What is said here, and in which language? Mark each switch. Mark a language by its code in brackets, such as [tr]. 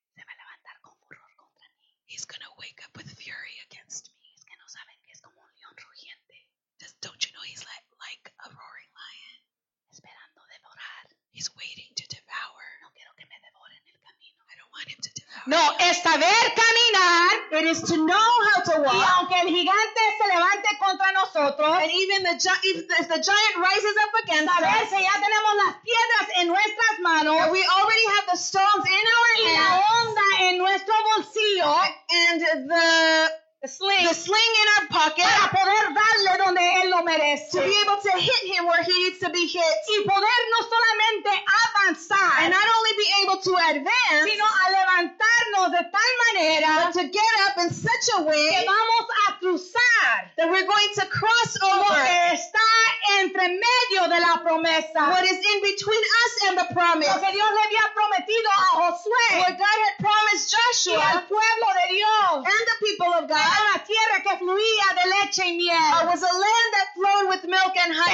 [es] Se va a levantar con furor contra mí. [en] He's gonna wake up with fury against me. [es] Es que no saben que es como un león rugiente. [en] Just, don't you know he's like a roaring lion? [es] Esperando devorar. [en] He's waiting to devour. [es] No quiero que me devore en el camino. [en] I don't want him to devour. [es] No, es saber caminar. [en] It is to know how to walk. [es] Y aunque el gigante se levante. [en] And even if the giant rises up against us, [es] ya tenemos las piedras en nuestras manos, [en] and we already have the stones in our hands, [es] la onda en nuestro bolsillo, [en] and the sling in our pocket, [es] para poder darle donde él lo merece, [en] to be able to hit him where he needs to be hit, [es] y poder no solamente avanzar, [en] and not only be able to advance, [es] sino a levantarnos de tal manera, [en] but to get up in such a way [es] que vamos a cruzar, [en] that we're going to cross over [es] lo que está entre medio de la promesa, [en] what is in between us and the promise, [es] lo que Dios le había prometido a Josué, [en] what God had promised Joshua, [es] y al pueblo de Dios, [en] and the people of God. [es] Una tierra que fluía de leche y miel. [en] It was a land that flowed with milk and honey.